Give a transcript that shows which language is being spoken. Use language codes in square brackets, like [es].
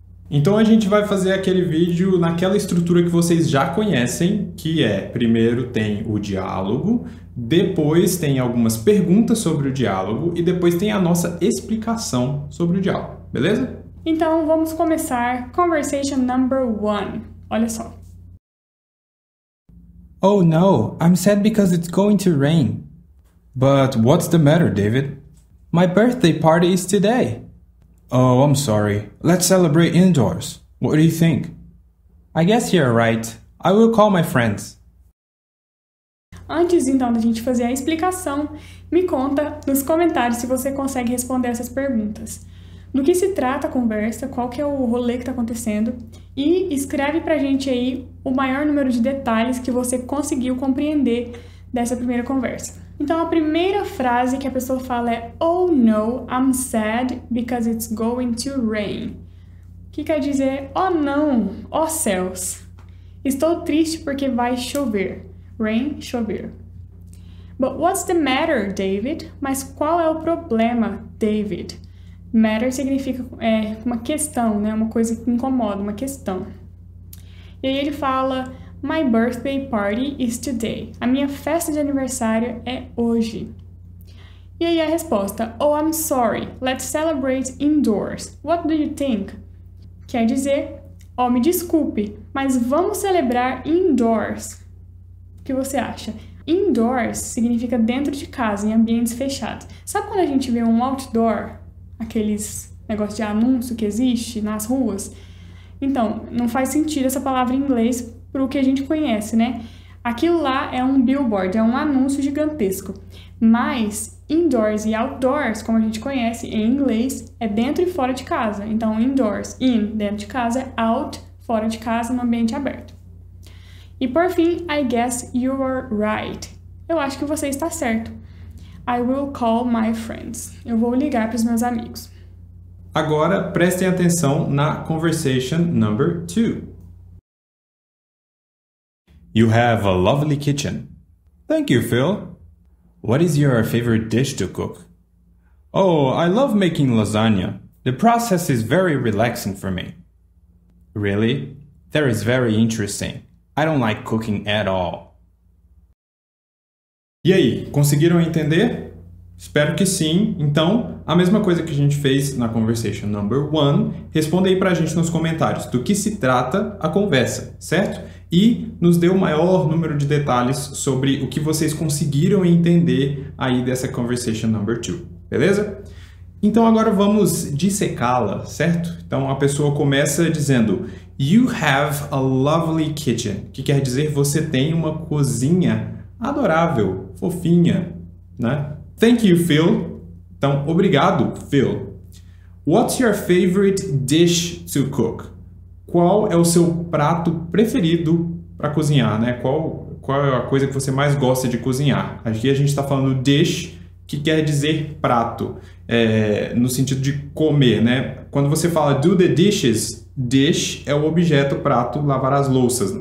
[pt] Então a gente vai fazer aquele vídeo naquela estrutura que vocês já conhecem, que é, primeiro tem o diálogo, depois tem algumas perguntas sobre o diálogo e depois tem a nossa explicação sobre o diálogo, beleza? Então, vamos começar. [en] Conversation number one. [pt] Olha só. [en] Oh no, I'm sad because it's going to rain. But what's the matter, David? My birthday party is today. Oh, I'm sorry. Let's celebrate indoors. What do you think? I guess you're right. I will call my friends. [pt] Antes, então, da gente fazer a explicação, me conta nos comentários se você consegue responder essas perguntas. Do que se trata a conversa, qual que é o rolê que está acontecendo e escreve pra gente aí o maior número de detalhes que você conseguiu compreender dessa primeira conversa. Então a primeira frase que a pessoa fala é [en] Oh no, I'm sad because it's going to rain. [pt] Que quer dizer, oh não, oh céus, estou triste porque vai chover. Rain, chover. [en] But what's the matter, David? [pt] Mas qual é o problema, David? Matter significa uma questão, né? Uma coisa que incomoda, uma questão. E aí ele fala, [en] My birthday party is today. [pt] A minha festa de aniversário é hoje. E aí a resposta, [en] Oh, I'm sorry. Let's celebrate indoors. What do you think? [pt] Quer dizer, Oh, me desculpe, mas vamos celebrar indoors. O que você acha? Indoors significa dentro de casa, em ambientes fechados. Sabe quando a gente vê um outdoor? Aqueles negócios de anúncio que existe nas ruas. Então, não faz sentido essa palavra em inglês para o que a gente conhece, né? Aquilo lá é um billboard, é um anúncio gigantesco. Mas, indoors e outdoors, como a gente conhece em inglês, é dentro e fora de casa. Então, indoors, in, dentro de casa, out, fora de casa, no ambiente aberto. E por fim, [en] I guess you are right. [pt] Eu acho que você está certo. [en] I will call my friends. [pt] Eu vou ligar para os meus amigos. Agora, prestem atenção na [en] conversation number two. You have a lovely kitchen. Thank you, Phil. What is your favorite dish to cook? Oh, I love making lasagna. The process is very relaxing for me. Really? That is very interesting. I don't like cooking at all. [pt] E aí, conseguiram entender? Espero que sim. Então, a mesma coisa que a gente fez na [en] conversation number one, [pt] responde aí pra gente nos comentários do que se trata a conversa, certo? E nos dê o maior número de detalhes sobre o que vocês conseguiram entender aí dessa [en] conversation number two, [pt] beleza? Então, agora vamos dissecá-la, certo? Então, a pessoa começa dizendo [en] You have a lovely kitchen, [pt] que quer dizer você tem uma cozinha adorável, fofinha, né? [en] Thank you, Phil. [pt] Então, obrigado, Phil. [en] What's your favorite dish to cook? [pt] Qual é o seu prato preferido para cozinhar, né? Qual é a coisa que você mais gosta de cozinhar? Aqui a gente está falando dish, que quer dizer prato, no sentido de comer, né? Quando você fala do the dishes, dish é o objeto, prato, lavar as louças.